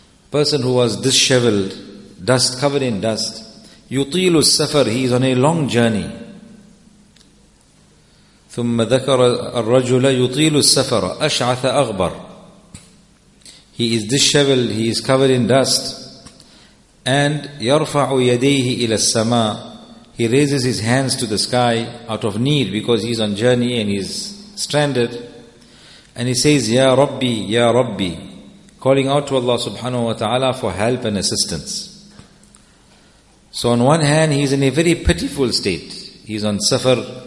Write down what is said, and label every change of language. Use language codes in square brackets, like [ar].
[en] Person who was disheveled, dust, covered in dust. [ar] يُطِيلُ السَّفَرِ. [en] He is on a long journey. [ar] ثُمَّ ذَكَرَ الرَّجُلَ يُطِيلُ السَّفَرَ أَشْعَثَ أَغْبَرَ. [en] He is disheveled, he is covered in dust. [ar] And يَرْفَعُ يَدَيْهِ إِلَى السَّمَاءِ. [en] He raises his hands to the sky out of need because he's on journey and he's stranded. And he says, [ar] يَا رَبِّي يَا رَبِّي, [en] calling out to Allah subhanahu wa ta'ala for help and assistance. So on one hand, he's in a very pitiful state. He's on safar.